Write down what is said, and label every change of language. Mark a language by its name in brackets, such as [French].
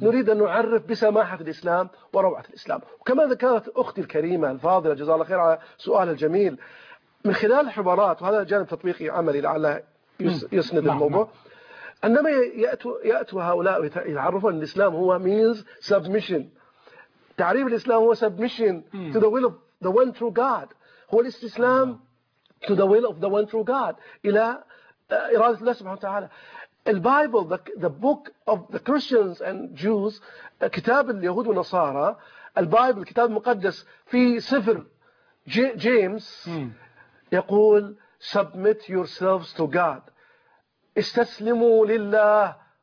[Arabic] نريد أن نعرف بسماحة الإسلام وروعة الإسلام. وكما ذكرت أختي الكريمة الفاضلة جزاها الله خير على سؤال الجميل، من خلال حبارات، وهذا جانب تطبيقي عملي لعله يسند الموضوع. عندما يأتوا هؤلاء ويتعرفون الإسلام هو [English] means submission. [Arabic] تعريف الإسلام هو [English] submission to the will of the one true God. [Arabic] هو الاستسلام [English] to the will of the one true God، [Arabic] إلى إرادة الله سبحانه وتعالى. البايبل، [English] the book of the Christians and Jews، [Arabic] كتاب اليهود والنصارى، البايبل الكتاب المقدس، في سفر جيمس يقول [English] submit yourselves to God، [Arabic] استسلموا لله.